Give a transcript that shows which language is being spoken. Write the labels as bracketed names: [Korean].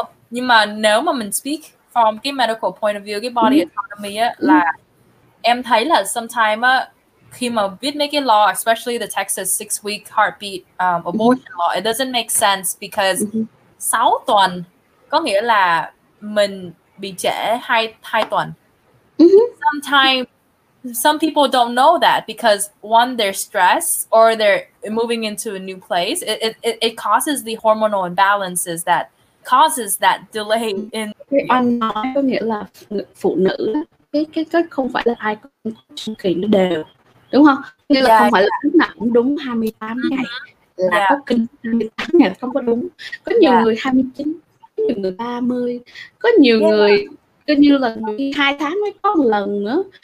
[Vietnamese] Nhưng mà nếu mà mình [English] speak from [Vietnamese] cái [English] medical point of view, [Vietnamese] cái body autonomy á, là em thấy là sometimes khi mà viết mấy cái law, [English] especially the Texas 6-week heartbeat abortion law, it doesn't make sense because [Vietnamese] 6 tuần có nghĩa là mình bị trễ 2 tuần. [English] Sometimes some people don't know that because one, they're stressed or they're moving into a new place. It causes the hormonal imbalances that causes that delay in. [Vietnamese] Anh nói có nghĩa là phụ nữ cái không phải là ai cũng chu kỳ nó đều, đúng không? Nghĩa là không phải là cũng nặng đúng 28 ngày là có kinh 28 ngày là không có đúng. Có nhiều người 29, có nhiều người 30, có nhiều người cứ như là 2 tháng mới có một lần nữa.